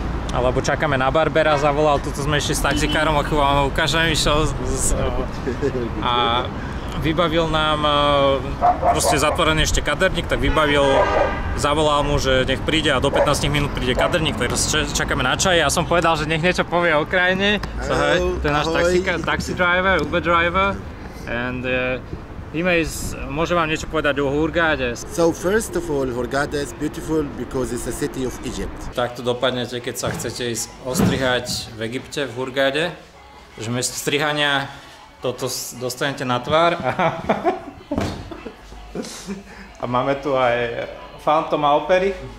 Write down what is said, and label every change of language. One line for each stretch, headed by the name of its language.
Slovak: Alebo čakáme na barbera, zavolal, tuto sme ešte s taxikárom a chvíľa, ukážem, išiel a vybavil nám, proste zatvorený ešte kaderník, tak vybavil, zavolal mu, že nech príde a do 15 minút príde kaderník, tak čakáme na čaj. Ja som povedal, že nech niečo povie o krajine. Ahoj, to je náš taxikár,
English: taxi driver, Uber driver.
Slovak: And Himes, môže vám niečo povedať o Hurgade?
English: So first of all, Hurgade is beautiful because it's a city of Egypt.
Slovak: Takto dopadnete, keď sa chcete ísť ostrihať v Egypte, v Hurgade. Že miesto strihania toto dostanete na tvár. A máme tu aj Phantom Opery.